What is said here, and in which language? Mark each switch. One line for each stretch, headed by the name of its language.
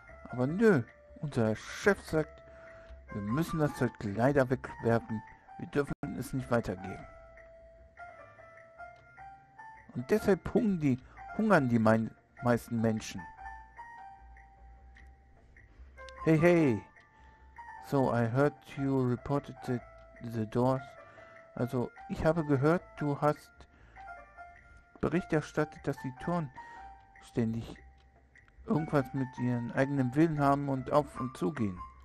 German: Aber nö, unser Chef sagt, wir müssen das Zeug leider wegwerfen. Wir dürfen es nicht weitergeben. Und deshalb hungern die meisten Menschen. Hey, hey.
English: So, I heard you reported the doors.
German: Also, ich habe gehört, du hast Bericht erstattet, dass die Türen ständig irgendwas mit ihren eigenen Willen haben und auf und zu gehen.